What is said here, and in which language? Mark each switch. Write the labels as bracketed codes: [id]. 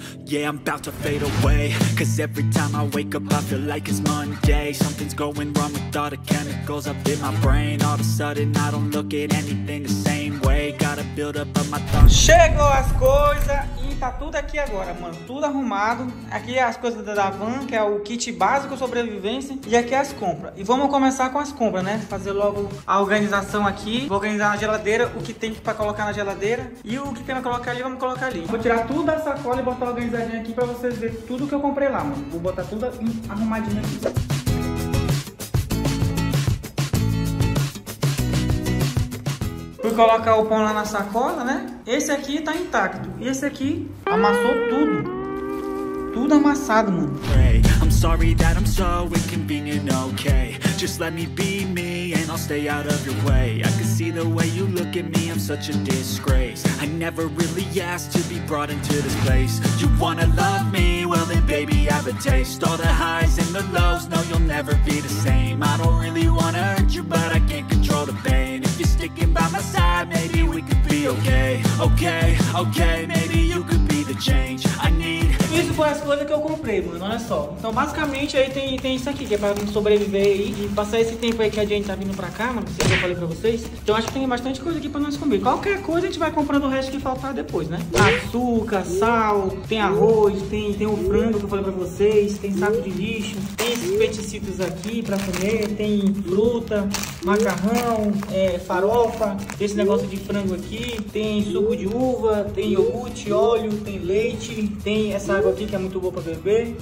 [en] Yeah, I'm about to fade away. Cause every time I wake up, I feel like it's Monday. Something's going wrong with all the chemicals up in my brain. All of a sudden, I don't look at anything the same way. Gotta build up on my thoughts. [pt] Chegou as coisas e tá tudo aqui agora, mano. Tudo arrumado. Aqui é as coisas da van, que é o kit básico sobrevivência. E aqui é as compras. E vamos começar com as compras, né? Fazer logo a organização aqui. Vou organizar na geladeira o que tem pra colocar na geladeira. E o que tem pra colocar ali, vamos colocar ali. Vou tirar tudo da sacola e botar organizado aqui pra vocês verem tudo que eu comprei lá, mano. Vou botar tudo arrumadinho aqui. Fui colocar o pão lá na sacola, né? Esse aqui tá intacto. E esse aqui amassou tudo. Tudo amassado, mano. [en] Sorry that I'm so inconvenient, okay. Just let me be me and I'll stay out of your way. I can see the way you look at me, I'm such a disgrace. I never really asked to be brought into this place. You wanna love me, well then baby have a taste. All the highs and the lows, no you'll never be the same. I don't really wanna hurt you, but I can't control the pain. If you're sticking by my side, maybe we could be okay. Okay, okay, maybe you could be the change I need. [pt] Isso foi as coisas que eu comprei, mano, olha só. Então, basicamente, aí tem isso aqui, que é pra mim sobreviver aí e passar esse tempo aí que a gente tá vindo pra cá, mano, que eu falei pra vocês. Então, acho que tem bastante coisa aqui pra nós comer. Qualquer coisa, a gente vai comprando o resto que faltar depois, né? Açúcar, sal, tem arroz, tem o frango que eu falei pra vocês, tem saco de lixo, tem esses peticitos aqui pra comer, tem fruta, macarrão, farofa, tem esse negócio de frango aqui, tem suco de uva, tem iogurte, óleo, tem leite, tem essa água aqui que é muito... muito boa pra beber.